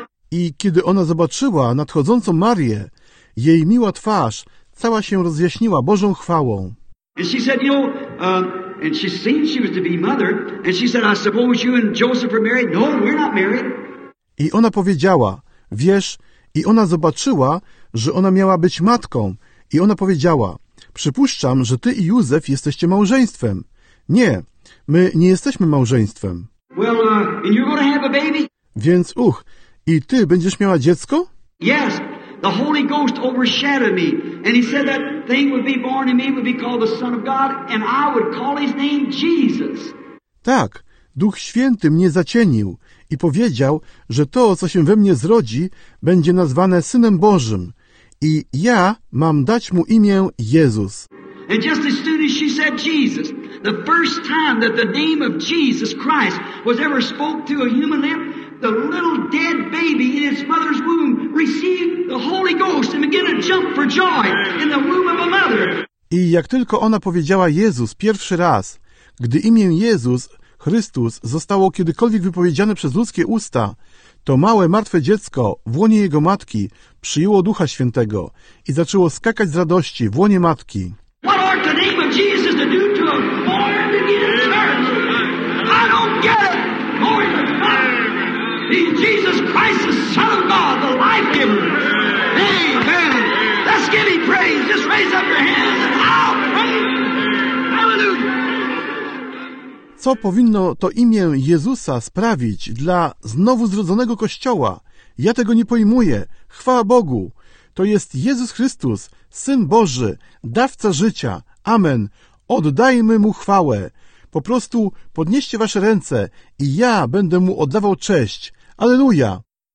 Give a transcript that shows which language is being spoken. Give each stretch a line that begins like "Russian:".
Polish: I kiedy ona zobaczyła nadchodzącą Marię, jej miła twarz cała się rozjaśniła Bożą chwałą.
English: And she said, you know, and she seemed she was to be mother, and she said, I suppose you and Joseph are married. No, we're not married.
Polish: I ona powiedziała, wiesz, i ona zobaczyła, że ona miała być matką, i ona powiedziała, przypuszczam, że ty i Józef jesteście małżeństwem. Nie, my nie jesteśmy małżeństwem.
English: Well, and you're gonna have a baby?
Polish: Więc i ty będziesz miała dziecko?
English: Yes. The Holy Ghost overshadowed me, and he said that thing would be born in me, would be called the Son of God, and I would call his name Jesus.
Polish: Tak, Duch Święty mnie zacienił i powiedział, że to, co się we mnie zrodzi, będzie nazwane Synem Bożym, i ja mam dać mu imię Jezus.
English: And just as soon as she said Jesus, the first time that the name of Jesus Christ was ever spoke to a human lip, the little dead baby in its mother's womb received the Holy Ghost and began to jump for joy in the womb of a mother.
Polish: I jak tylko ona powiedziała Jezus pierwszy raz, gdy imię Jezus Chrystus zostało kiedykolwiek wypowiedziane przez ludzkie usta, to małe, martwe dziecko w łonie jego matki przyjęło Ducha Świętego i zaczęło skakać z radości w łonie matki.
English: What ought the name of Jesus to do to a born-again church? I don't get it. Glory to God. He's Jesus Christ, the Son of God, the life-giver. Amen. Let's give him praise. Just raise up your hands and I'll praise.
Polish: Co powinno to imię Jezusa sprawić dla znowu zrodzonego Kościoła? Ja tego nie pojmuję. Chwała Bogu. To jest Jezus Chrystus, Syn Boży, Dawca Życia. Amen. Oddajmy Mu chwałę. Po prostu podnieście wasze ręce i ja będę Mu oddawał cześć. Alleluja.